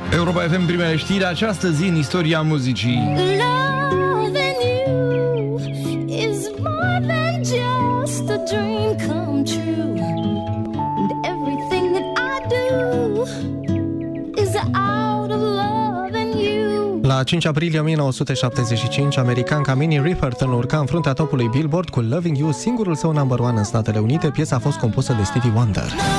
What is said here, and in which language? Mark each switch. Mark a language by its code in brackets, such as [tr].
[ro] Europa FM primele știri această zi în istoria muzicii. [en] Love and you is more than just a dream come true. And everything that I do is out of love and you. [ro] La 5 aprilie 1975, americanca Minnie Riperton urca în fruntea topului Billboard cu Loving You, singurul său number one în Statele Unite. Piesa a fost compusă de Stevie Wonder.